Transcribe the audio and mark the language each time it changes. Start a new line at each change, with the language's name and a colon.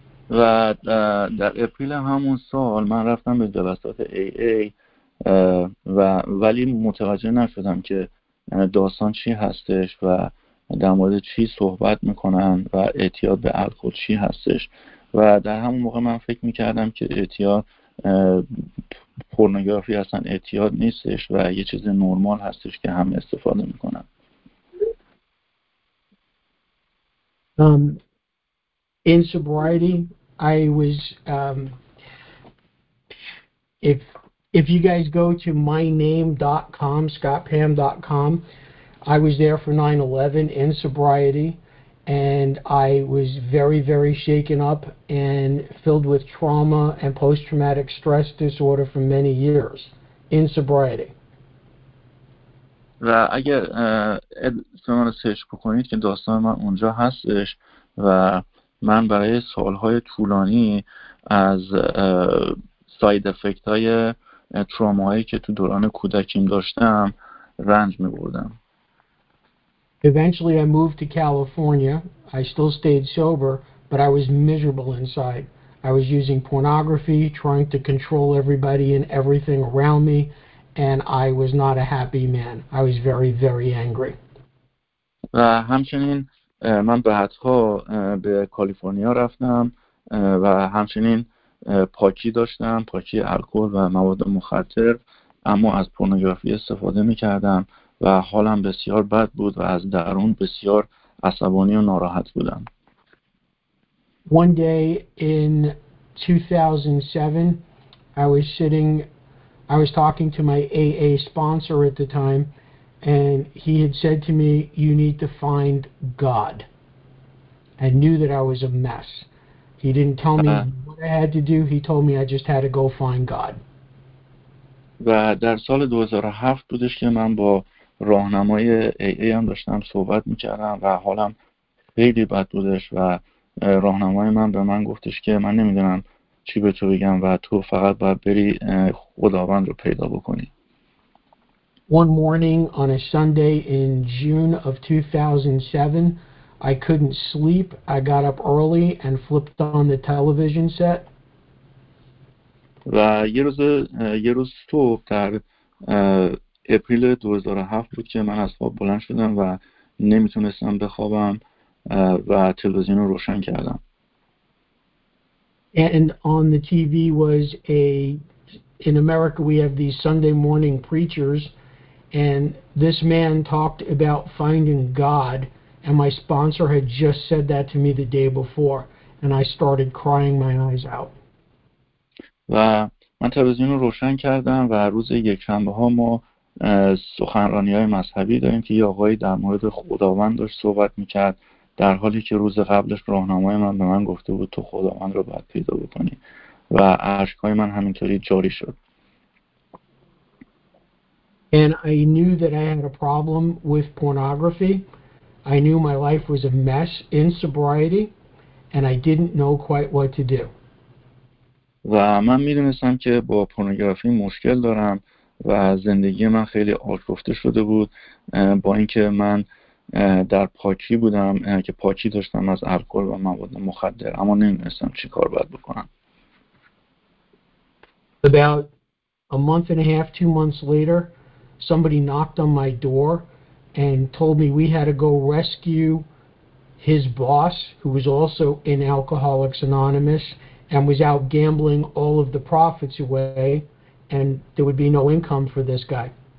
Persian: و در اپریل همون سال من رفتم به جلسات AA و ولی متوجه نشدم که داستان چی هستش و در مورد چی صحبت میکنن و اعتیاد به الکل چی هستش. و در همون موقع من فکر میکردم که اعتیاد پورنوگرافی اصلا اعتیاد نیستش و یه چیز نرمال هستش که هم استفاده میکنن.
English: In sobriety, I was, if you guys go to myname.com, scottpam.com, I was there for 9/11 in sobriety, and I was very, very shaken up and filled with trauma and post-traumatic stress disorder for many years in sobriety.
Persian: و اگر شما رو سرچ بکنید که داستان من اونجا هستش و من برای سالهای طولانی از ساید افکت های تروماهایی که تو دوران کودکیم داشتم رنج می بردم.
English: Eventually I moved to California. I still stayed sober, but I was miserable inside. I was using pornography, trying to control everybody and everything around me, and I was not a happy man. I was very, very angry.
Persian: و همچنین من بعدها به کالیفرنیا رفتم و همچنین پاکی داشتم، پاکی الکل و مواد مخدر، اما از پورنوگرافی استفاده می‌کردم و حالم بسیار بد بود و از درون بسیار عصبانی و ناراحت بودم.
English: One day in 2007, I was talking to my AA sponsor at the time, and he had said to me, "You need to find God." I knew that I was a mess. He didn't tell me what I had to do. He told me I just had to go find God.
Persian: و در سال 2007 بودش که من با راهنمای AA هم داشتم صحبت میکردم و حالم خیلی بد بودش و راهنمای من به من گفتش که من نمیدونم چی به تو بگم و تو فقط باید بری خداوند رو پیدا بکنی.
English: One morning on a Sunday in June of 2007, I couldn't sleep. I got up early and flipped on the television set.
Persian: و یه روز صبح در اپریل 2007 بود که من از خواب بلند شدم و نمیتونستم بخوابم و تلویزیون رو روشن کردم.
English: And on the TV was in America we have these Sunday morning preachers, and this man talked about finding God, and my sponsor had just said that to me the day before, and I started crying my eyes out.
Persian: و من تلویزیون رو روشن کردم و روز یکشنبه ها ما سخنرانی های مذهبی داریم که یه آقایی در مورد خداوند داشت صحبت میکرد، در حالی که روز قبلش راهنمای من به من گفته بود تو خداوند رو باید پیدا بکنی و اشکای من همینطوری جاری شد.
English: And I knew that I had a problem with pornography. I knew my life was a mess in sobriety and I didn't know quite what to do.
Persian: و من میدونستم که با پورنوگرافی مشکل دارم و زندگی من خیلی آشفته شده بود، با اینکه من در پاکی بودم که پاکی داشتم از الکل و مواد مخدر، اما نمیدونستم چی کار باید بکنم.
English: About a month and a half, 2 months later, somebody knocked on my door and told me we had to go rescue his boss, who was also in Alcoholics Anonymous and was out gambling all of the profits away, and there would be no income for this guy.